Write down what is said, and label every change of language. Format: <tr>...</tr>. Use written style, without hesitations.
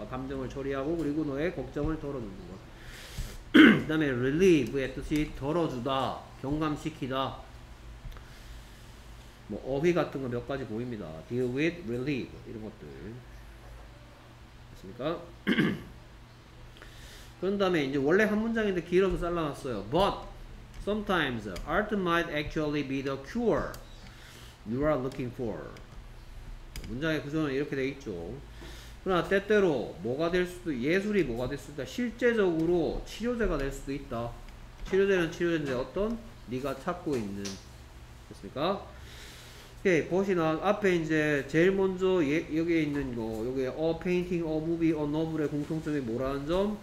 <ko>감정을 처리하고 그리고 너의 걱정을 덜어놓는 것. 그 다음에 relieve의 뜻이 덜어주다, 경감시키다. 뭐 어휘 같은 거 몇 가지 보입니다. deal with, relieve 이런 것들 됐습니까? 그런 다음에 이제 원래 한 문장인데 길어서 잘라놨어요.</ko> <en>but sometimes art might actually be the cure you are looking for.</en> <ko>문장의 구조는 이렇게 돼 있죠. 그러나 때때로 뭐가 될 수도, 예술이 뭐가 될 수도 있다. 실제적으로 치료제가 될 수도 있다. 치료제는 치료제인데 어떤? 네가 찾고 있는. 됐습니까? 오케이. 보시나 앞에 이제 제일 먼저 여기에 있는 거, 여기에</ko> <en>a painting, a movie, a novel</en> <ko>의 공통점이 뭐라는 점?</ko>